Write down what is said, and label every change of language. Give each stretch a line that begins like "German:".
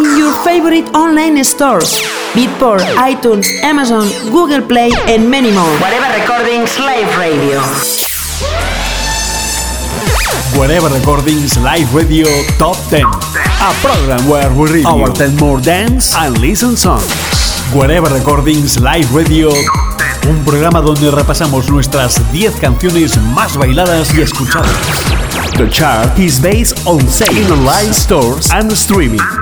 English: in your favorite online stores, Beatport, iTunes, Amazon, Google Play, and many more. Guareber Recordings Live Radio. Guareber Recordings Live Radio Top 10. A program where we read our 10 more dance and listen songs. Guareber Recordings Live Radio Top 10.
Spanish: Un programa donde repasamos nuestras 10 canciones más bailadas y escuchadas.
English: The chart is based on sales in online stores and streaming.